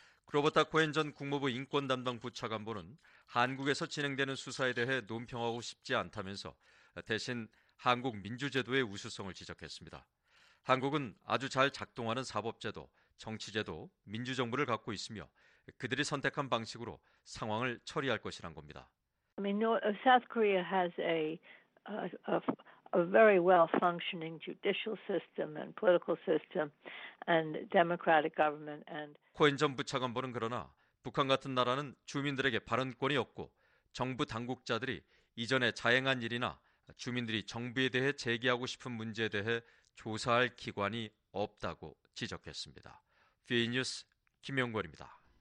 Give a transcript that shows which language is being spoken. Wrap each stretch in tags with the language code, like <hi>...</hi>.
<ko>로버타 코헨 전 국무부 인권담당 부차관보는 한국에서 진행되는 수사에 대해 논평하고 싶지 않다면서 대신 한국 민주제도의 우수성을 지적했습니다. 한국은 아주 잘 작동하는 사법제도, 정치제도, 민주정부를 갖고 있으며 그들이 선택한 방식으로 상황을 처리할 것이란 겁니다.</ko> <en>I mean, South Korea has a very well-functioning judicial system and political system and democratic government. And</en> <ko>코헨 전 부차관보는 그러나 북한 같은 나라는 주민들에게 발언권이 없고 정부 당국자들이 이전에 자행한 일이나 주민들이 정부에 대해 제기하고 싶은 문제에 대해 조사할 기관이 없다고 지적했습니다. 비 뉴스 김영권입니다.</ko>